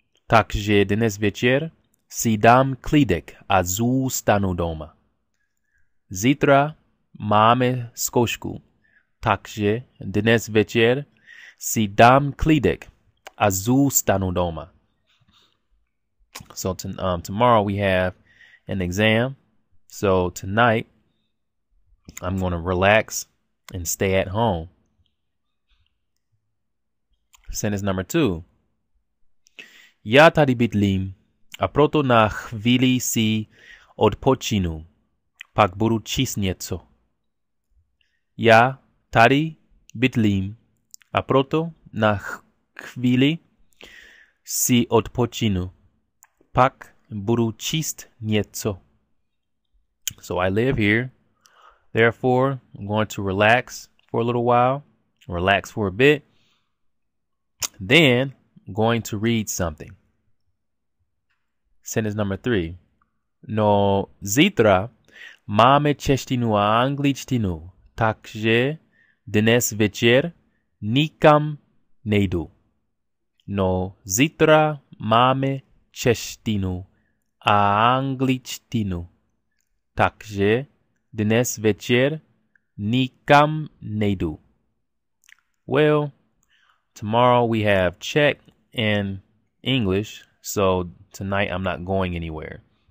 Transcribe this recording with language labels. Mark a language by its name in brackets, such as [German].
[Czech] Takže dnes večer si dám klídek a zůstanu doma. Zítra máme zkoušku. Takže dnes večer si dám klídek a zůstanu doma. [English] So tomorrow we have an exam. So tonight I'm going to relax and stay at home. Sentence number 2. [Czech] Já tady bydlím a proto na chvíli si odpočinu. Pak budu číst něco. Já tady bydlím a proto na chvíli si odpočinu. Pak budu číst něco. [English] So I live here. Therefore, I'm going to relax for a little while. Relax for a bit. Then, I'm going to read something. Sentence number 3. [Czech] No zítra máme češtinu a angličtinu. Takže dnes večer nikam nejdu. No zítra máme češtinu a angličtinu. Takže dnes večer nikam nejdu. [English] Well, tomorrow we have Czech and English, so tonight I'm not going anywhere.